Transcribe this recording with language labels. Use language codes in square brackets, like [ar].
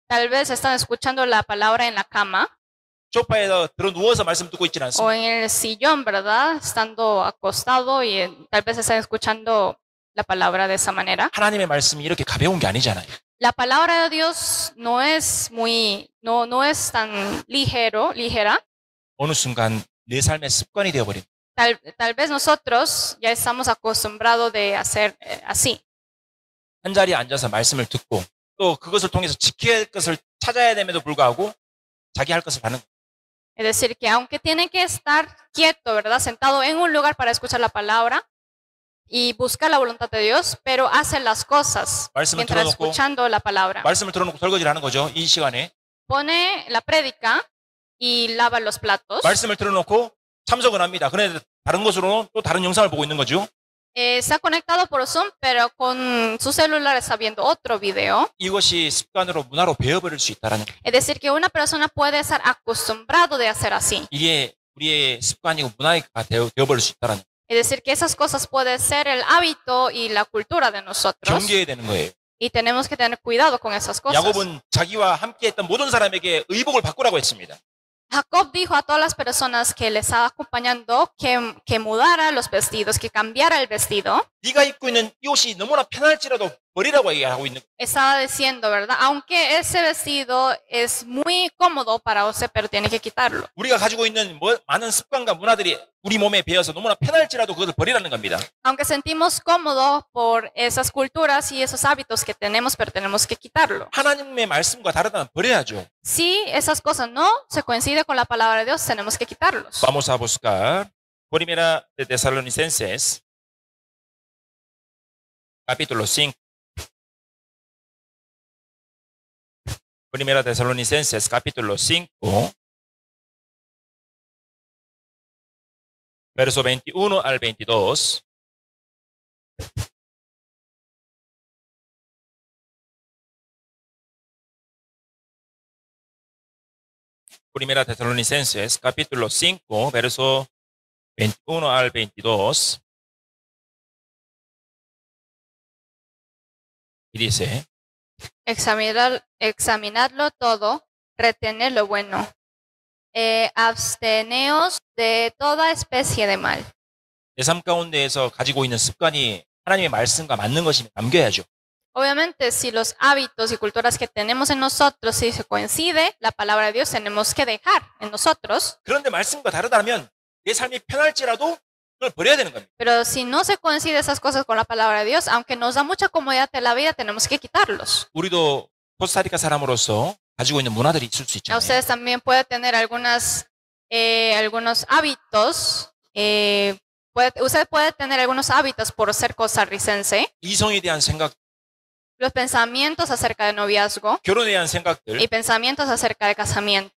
[es] Tal vez están escuchando la palabra en la cama. [ko] 소파에서 들어 누워서 말씀 듣고 있지 않습니까? [es] O en el sillón, ¿verdad? Estando acostado y tal vez están escuchando la palabra de esa manera. [ko] 하나님의 말씀이 이렇게 가벼운 게 아니잖아요. [es] La palabra de Dios no es tan ligera. [ko] 어느 순간 내 삶의 습관이 되어 버린. [es] Tal vez nosotros ya estamos acostumbrados de hacer así. [ko] 한 자리에 앉아서 말씀을 듣고 또 그것을 통해서 지켜야 할 것을 찾아야 됨에도 불구하고 자기 할 것을 하는. [es] Es decir que aunque tiene que estar quieto, ¿verdad? Sentado en un lugar para escuchar la palabra. Y busca la voluntad de Dios, pero hace las cosas mientras escuchando la palabra. [ko] 말씀을 들어놓고 설거지를 하는 거죠, 이 시간에. [es] Pone la prédica y lava los platos. [ko] 말씀을 들어놓고 참석을 합니다. 그런데 다른 것으로 또 다른 영상을 보고 있는 거죠. [es] Está conectado por Zoom, pero con su celular está viendo otro video. [ko] 이것이 습관으로 문화로 배워버릴 수 있다라는. [es] Es decir, que una persona puede estar acostumbrado de hacer así. [ko] 이게 우리의 습관이고 문화가 되어버릴 수 있다라는. [es] Es decir, que esas cosas pueden ser el hábito y la cultura de nosotros. [ko] 경계해야 되는 거예요. [es] Y tenemos que tener cuidado con esas cosas. [ko] 야곱은 자기와 함께했던 모든 사람에게 의복을 바꾸라고 했습니다. [es] Jacob dijo a todas las personas que le estaba acompañando que mudara los vestidos, que cambiara el vestido. [ko] 네가 입고 있는 옷이 너무나 편할지라도 버리라고 얘기하고 있는 거예요. [es] Estaba diciendo, ¿verdad? Aunque ese vestido es muy cómodo para usted, pero tiene que quitarlo. [ko] 우리가 가지고 있는 뭐, 많은 습관과 문화들이 우리 몸에 배어서 너무나 편할지라도 그것을 버리라는 겁니다. [es] Aunque sentimos cómodo por esas culturas y esos hábitos que tenemos, pero tenemos que quitarlo. [ko] 하나님의 말씀과 다르다면 버려야죠. [es] Si esas cosas no se coinciden con la palabra de Dios, tenemos que quitarlos. Vamos a buscar Primera de Tesalonicenses. Capítulo 5. Primera de Tesalonicenses, capítulo 5. Verso 21 al 22. Primera de Tesalonicenses, capítulo 5, verso 21 al 22. Y dice, examinadlo todo, retened lo bueno, absteneos de toda especie de mal. [ko] 내 삶 가운데에서 가지고 있는 습관이 하나님의 말씀과 맞는 것이면 남겨야죠. [es] Obviamente, si los hábitos y culturas que tenemos en nosotros si se coincide, la palabra de Dios tenemos que dejar en nosotros. [ko] 그런데 말씀과 다르다면 내 삶이 편할지라도 버려야 되는 겁니다. [es] Pero si no se coincide esas cosas con la palabra de Dios, aunque nos da mucha comodidad en la vida, tenemos que quitarlos. [ko] 우리도 코스타리카 사람으로서 가지고 있는 문화들이 있을 수 있잖아요. [es] Ustedes también pueden tener algunas algunos hábitos usted puede tener algunos hábitos por ser costarricense. [ko] 이성에 대한 생각. [es] Los pensamientos acerca de noviazgo. [ko] 결혼에 대한 생각들. [es] Y pensamientos acerca de casamiento.